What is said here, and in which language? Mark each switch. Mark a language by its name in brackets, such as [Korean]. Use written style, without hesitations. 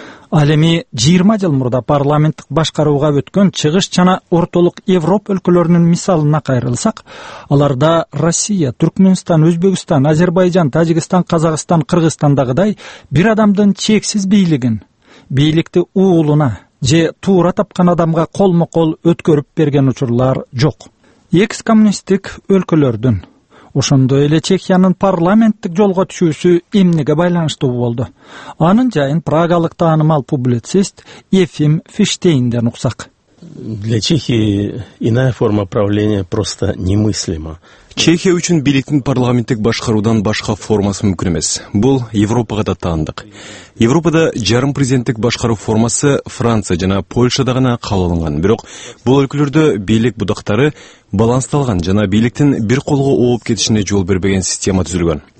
[Kyrgyz] Ал эми 20 жыл мурда парламенттик башкарууга өткөн чыгыш жана ортолук Европа өлкөлөрүнүн мисалына кайрылсак, аларда Россия, Түркмөнстан, Өзбекстан, Азербайжан, Тажикстан, Казакстан, Кыргызстандагыдай бир адамдын чексиз бийлигин, бийликти уулуна же туура тапкан адамга колмо кол өткөрүп берген учурлар жок. Экс коммунисттик өлкөлөрдүн, ошондой эле Чехиянын парламенттик жолго түшүүсү эмнеге байланыштуу болду? Анын жайын прагалык таанымал публицист Ефим Фиштейнден уксак. [Russian] Для Чехии иная форма правления просто немыслима. [Kyrgyz] Чехия үчүн бийликтин парламенттик башкаруудан башка формасы мүмкүн эмес. Бул Европага да таандык. Европада жарым президенттик башкаруу формасы Франция жана Польшада гана кабыл алынган. Бирок бул өлкөлөрдө бийлик будактары балансталган жана бийликтин бир колго ооп кетишине жол бербеген система түзүлгөн.